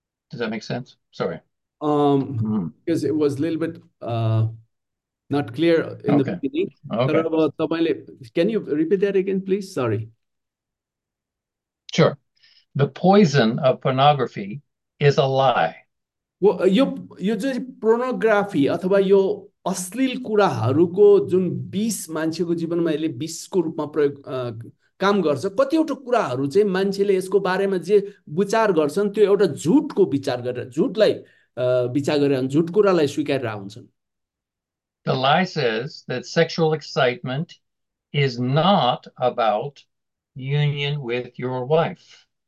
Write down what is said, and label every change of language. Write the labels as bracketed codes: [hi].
[en] Does that make sense? Sorry. Because it was a little bit not clear in the beginning. Okay. Can you repeat that again, please? Sorry. Sure. The poison of pornography is a lie. [ne] Well, यो जुन pornography अथवा यो अश्लील कुराहरूको जुन विष मान्छेको जीवनमा यसले विषको रूपमा प्रयोग काम गर्छ, कतिवटा कुराहरू चाहिँ मान्छेले यसको बारेमा जे विचार गर्छन् त्यो एउटा झुटको विचार गरेर, झुटलाई विचार गरेर, झुट कुरालाई स्वीकारेर हुन्छन्। [en] The lie says that sexual excitement is not about union with your wife.